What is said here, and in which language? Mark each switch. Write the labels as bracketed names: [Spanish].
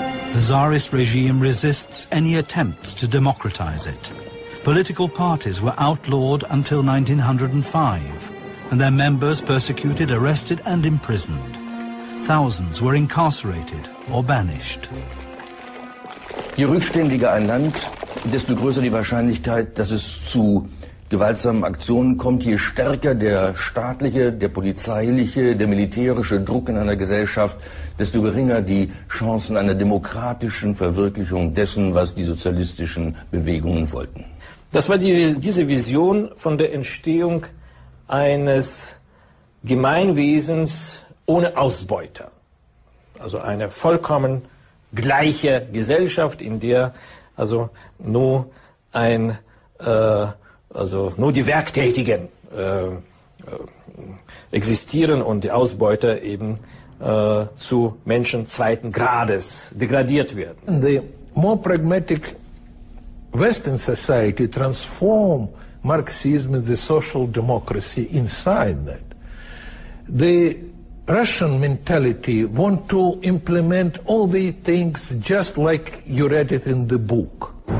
[English] The Tsarist regime resists any attempts to democratize it. Political parties were outlawed until 1905, and their members persecuted, arrested, and imprisoned. Thousands were incarcerated or banished. [German] Je rückständiger ein Land, desto größer die Wahrscheinlichkeit, dass es zu gewaltsamen Aktionen kommt, je stärker der staatliche, der polizeiliche, der militärische Druck in einer Gesellschaft, desto geringer die Chancen einer demokratischen Verwirklichung dessen, was die sozialistischen Bewegungen wollten. Das war diese Vision von der Entstehung eines Gemeinwesens ohne Ausbeuter. Also eine vollkommen gleiche Gesellschaft, in der also nur ein also nur die Werktätigen existieren und die Ausbeuter eben zu Menschen zweiten Grades degradiert werden. [English] In the more pragmatic Western society transform Marxism into the social democracy inside that. The Russian mentality want to implement all the things just like you read it in the book.